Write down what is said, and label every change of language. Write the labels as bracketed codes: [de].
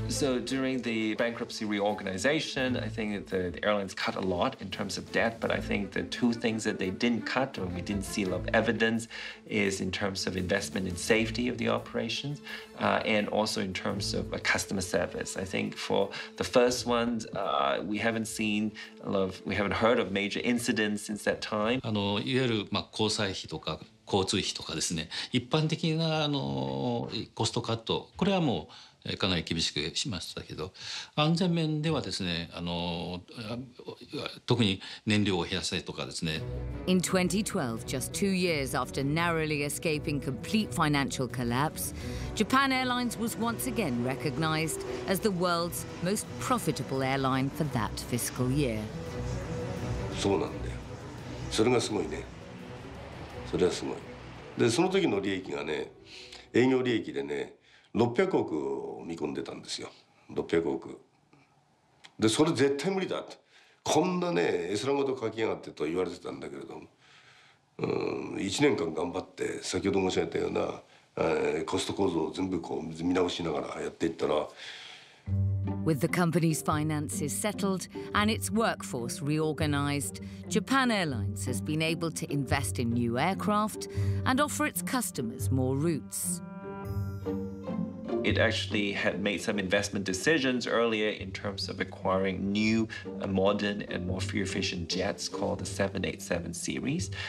[en] So during the bankruptcy reorganization, I think that the airlines cut a lot in terms of debt, but I think the two things that they didn't cut, or we didn't see a lot of evidence, is in terms of investment in safety of the operations, and also in terms of customer service. I think for the first one, we haven't seen a lot of, we haven't heard of major incidents since that time. [ja] いわゆる、交際費とか交通費とかですね、一般的なあのコストカット、これはもうかなり厳しくしましたけど、安全面ではですね、あの特に燃料を減らせとかですね。 [en] In 2012, just 2 years after narrowly escaping complete financial collapse, Japan Airlines was once again recognized as the world's most profitable airline for that fiscal year. [ja] そうなんだよ。それがすごいね。それはすごい。で、その時の利益がね、営業利益でね、600億を見込んでたんですよ。600億。で、それ絶対無理だって。こんなね、エスラごと書きやがってと言われてたんだけれども、1年間頑張って、先ほど申し上げたような、コスト構造を全部こう見直しながらやっていったら。 [en] With the company's finances settled and its workforce reorganized, Japan Airlines has been able to invest in new aircraft and offer its customers more routes. It actually had made some investment decisions earlier in terms of acquiring new, modern and more fuel-efficient jets called the 787 series.